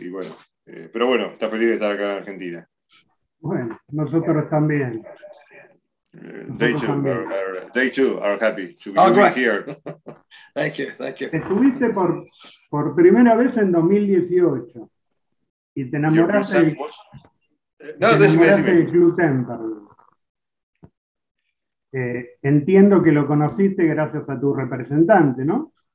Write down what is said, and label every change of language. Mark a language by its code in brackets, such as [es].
[es] Y bueno, pero bueno, está feliz de estar acá en Argentina. Bueno, nosotros también. [en] They too are happy to be right here. Thank you. [es] Estuviste por primera vez en 2018 y te enamoraste. Gluten, perdón. Entiendo que lo conociste gracias a tu representante, ¿no?